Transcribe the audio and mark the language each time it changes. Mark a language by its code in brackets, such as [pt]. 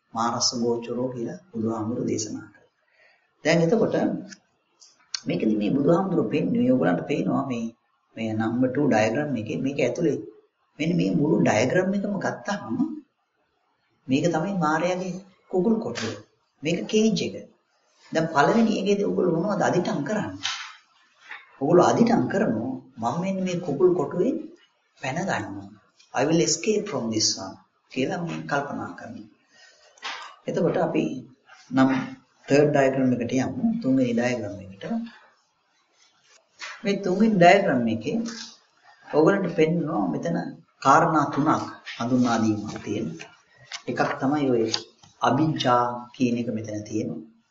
[si] මාරස ගෝචරෝ කියලා බුදුහාමුදුරුවෝ දේශනා කළා. දැන් එතකොට මේකදී මේ බුදුහාමුදුරුවෝ පෙන්නේ ඔයගොල්ලන්ට පේනවා මේ නම්බර් 2 ඩයග්‍රෑම් එකේ මේක ඇතුලේ මෙන්න මේ මුළු ඩයග්‍රෑම් එකම ගත්තාම මේක තමයි මායාවේ කුකුල් කොටුව. මේක කේජ් එක. දැන් පළවෙනි එකේදී ඔයගොල්ලෝ මොනවද අදිටම් කරන්නේ? ඔයගොල්ලෝ අදිටම් කරනෝ මම මෙන්න මේ කුකුල් කොටුවේ පැන ගන්නවා. [en] I will escape from this one [si] කියලා මම කල්පනා කරනවා. එතකොට අපි නම් [en] third diagram [si] එකට යමු. තුන්වෙනි diagram එකට. මේ තුන්වෙනි diagram එකේ ඔයගලට පෙන්වනවා මෙතන කාරණා තුනක් හඳුන්වා දීලා තියෙනවා. එකක් තමයි ඔය අභිජ්ජා කියන එක මෙතන තියෙනවා.